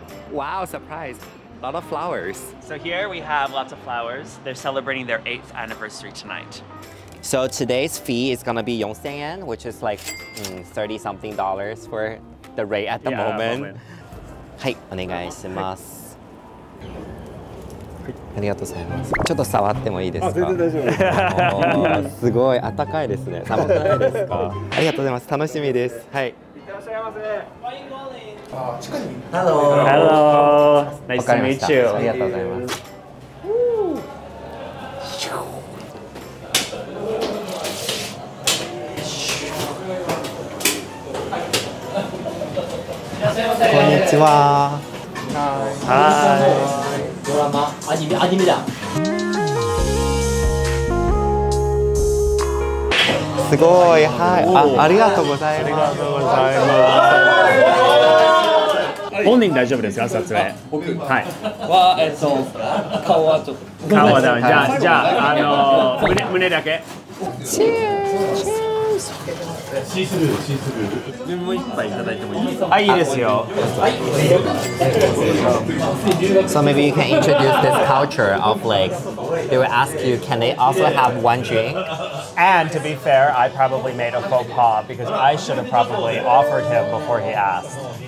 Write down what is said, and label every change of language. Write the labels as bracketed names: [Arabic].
[English] Wow, surprise. A lot of flowers. So here we have lots of flowers. They're celebrating their 8th anniversary tonight. So today's fee is going to be Yongsan Yen, which is like 30 something dollars for the rate at the moment. [Japanese] Hi, onegaishimasu. ありがとうございます。ちょっと触ってもいいですか？あ、全然大丈夫です。すごい暖かいですね。寒くないですか？ありがとうございます。楽しみです。はい。行ってらっしゃいませ。 [English] ファインモーニング。 [Japanese] あ、近くに。 [English] Hello。 Hello。 Nice to meet you。 [Japanese] ありがとうございます。こんにちは。はい。ドラマ、アニメだ。すごい、はい、ありがとうございます。ありがとうございます。本人大丈夫ですか、撮影。僕、はい。顔はちょっと。顔はダメ、じゃあ、胸だけ。チェーン、チェーン。シースルー、シースルー。もう一杯いただいてもいいですか？あ、いいですよ。 [English] So maybe you can introduce this culture of like, they will ask you, can they also have one drink? And to be fair, I probably made a faux pas because I should have probably offered him before he asked.